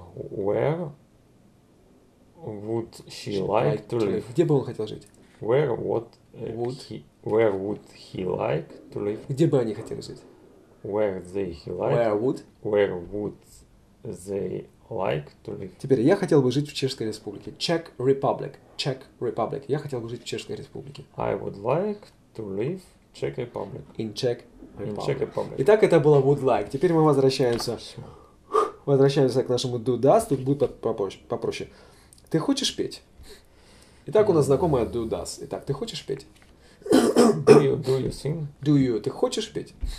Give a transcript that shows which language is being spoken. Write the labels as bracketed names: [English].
[English] Where would she like to live? [Russian] Где бы он хотел жить? [English] Where what? Would he? Where would he like to live? [Russian] Где бы они хотели жить? [English] Where they like? Where would they like to live? [Russian] Теперь я хотел бы жить в Чешской Республике. [English] Czech Republic. Czech Republic. [Russian] Я хотел бы жить в Чешской Республике. [English] I would like to live Czech Republic. In Czech Republic. In Czech Republic. [Russian] Итак, это было would like. Теперь мы возвращаемся к нашему do does. Тут будет попроще. Ты хочешь петь? Итак, у нас знакомая do does. Итак, ты хочешь петь? [English] Do you sing? Do you? [Russian] Ты хочешь петь?